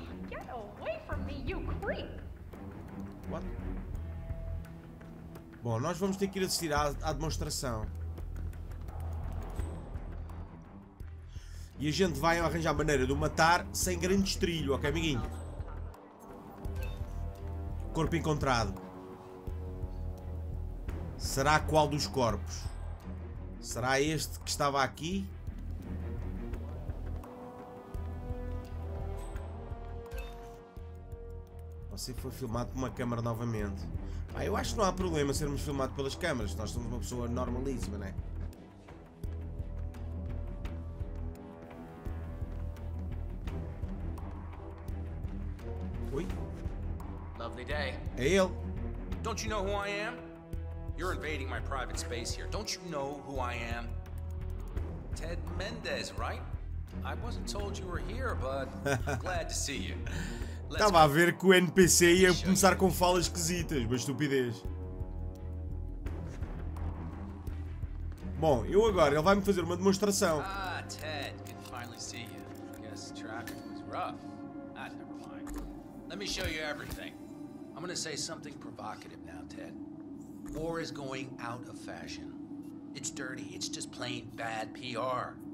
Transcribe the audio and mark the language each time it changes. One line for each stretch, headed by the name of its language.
English: Get away from me, you creep! What?
Portuguese: Bom, nós vamos ter que ir assistir à demonstração. E a gente vai arranjar a maneira de o matar sem grande estrilho, ok, amiguinho? Corpo encontrado. Será qual dos corpos? Será este que estava aqui? Você foi filmado por uma câmara novamente. Ah, eu acho que não há problema sermos filmados pelas câmaras. Nós somos uma pessoa normalíssima, não é? Oi?
English: Lovely day.
Portuguese: É ele.
English: Don't you know who I am? You're invading my private space here. Don't you know who I am? Ted Mendez, right? I wasn't told you were here, but I'm glad to see you.
Portuguese: Estava a ver que o NPC ia começar com falas esquisitas, uma estupidez. Bom, eu agora, ele vai-me fazer uma demonstração.
English: Ah, Ted, good to finally see you. I guess the traffic was rough. Ah, never mind. Let me show you everything. I'm gonna say something provocative now, Ted. War is going out of fashion. It's dirty, it's just plain bad PR.